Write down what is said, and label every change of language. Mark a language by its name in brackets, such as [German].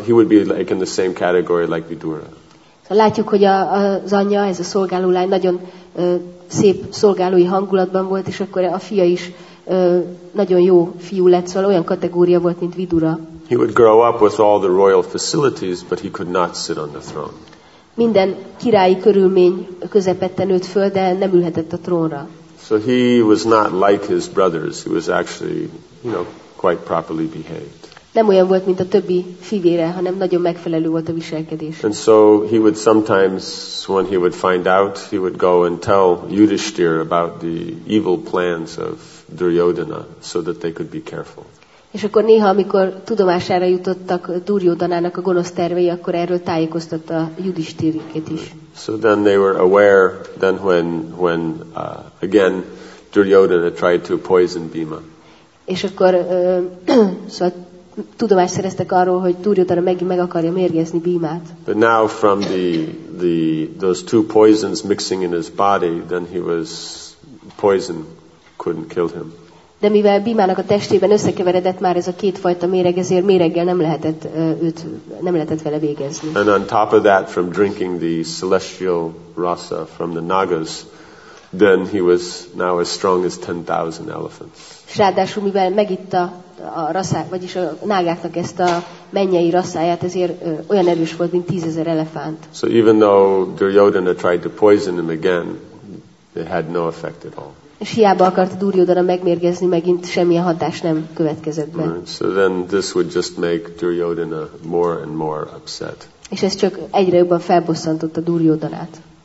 [English] He would be like in the same category like Vidura. [Hungarian] So látjuk, hogy az anyja, ez a szolgáló lány nagyon szép szolgálói hangulatban volt, és akkor a fia is nagyon jó fiú lett, szóval olyan kategória volt, mint Vidura. [English] He would grow up with all the royal facilities, but he could not sit on the throne. [Hungarian] Minden királyi körülmény közepette nőtt föl, de nem ülhetett a trónra. [English] So he was not like his brothers. He was actually, you know, quite properly behaved. [Hungarian] Nem olyan volt, mint a többi fivére, hanem nagyon megfelelő volt a viselkedés. [English] And so he would sometimes, when he would find out, he would go and tell Yudhishthir about the evil plans of Duryodhana, so that they could be careful. [Hungarian] És akkor néha, amikor tudomására jutottak Duryodhanának a gonosz tervei, akkor erről tájékoztatta Yudhishthirét is. [English] So then they were aware, then when again Duryodhana tried to poison Bhima. [Hungarian] És akkor szóval tudomást szereztek arról, hogy Duryodhana megint meg akarja mérgezni Bhimát. [English] But now from those two poisons mixing in his body, then he was poisoned. Couldn't kill him. [Hungarian] De mivel Bhimának a testében összekeveredett már ez a két fajta méreg, ezért méreggel nem lehetett vele végezni. [English] And on top of that, from drinking the celestial rasa from the nagas, then he was now as strong as 10,000 elephants. [Hungarian] Ráadásul, mivel megitta a rasát, vagyis a nágáknak ezt a mennyei rasáját, ezért olyan erős volt, mint 10,000 elefánt. [English] So even though Duryodhana tried to poison him again, it had no effect at all. [Hungarian] És hiába akart Duryodhana megmérgezni, megint semmilyen hatás nem következett be. [English] Right. So then this would just make Duryodhana more and more upset. [Hungarian] És ez csak egyre jobban felbosszantotta Duryodhanát.